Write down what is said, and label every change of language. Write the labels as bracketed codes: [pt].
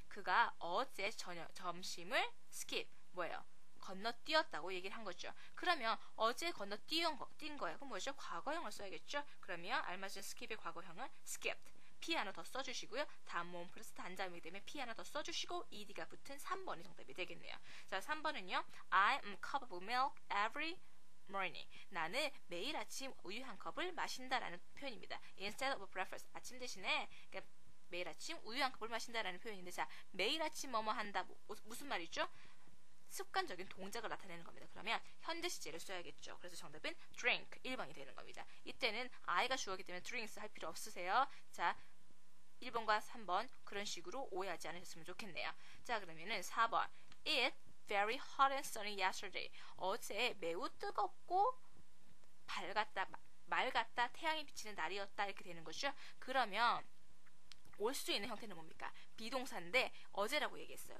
[ko] 그가 어제 저녁 점심을 skip 뭐예요? 건너뛰었다고 얘기를 한 거죠. 그러면 어제 건너뛴 거예요. 그럼 뭐죠? 과거형을 써야겠죠? 그러면 알맞은 skip의 과거형은 skipped. p 하나 더 써주시고요. 다음 모음 플러스 단자음이기 때문에 p 하나 더 써주시고 ed가 붙은 3번이 정답이 되겠네요. 자, 3번은요. [en] I am cup of milk every morning. [ko] 나는 매일 아침 우유 한 컵을 마신다라는 표현입니다. [en] Instead of breakfast. [ko] 아침 대신에 그러니까 매일 아침 우유 한 컵을 마신다라는 표현인데 자, 매일 아침 뭐뭐 한다. 무슨 말이죠? 습관적인 동작을 나타내는 겁니다. 그러면 현재 시제를 써야겠죠. 그래서 정답은 drink 1번이 되는 겁니다. 이때는 I가 주어이기 때문에 drinks 할 필요 없으세요. 자, 1번과 3번 그런 식으로 오해하지 않으셨으면 좋겠네요. 자, 그러면은 4번 [en] It very hot and sunny yesterday. [ko] 어제 매우 뜨겁고 밝았다, 맑았다, 태양이 비치는 날이었다 이렇게 되는 거죠. 그러면 올 수 있는 형태는 뭡니까? 비동사인데 어제라고 얘기했어요.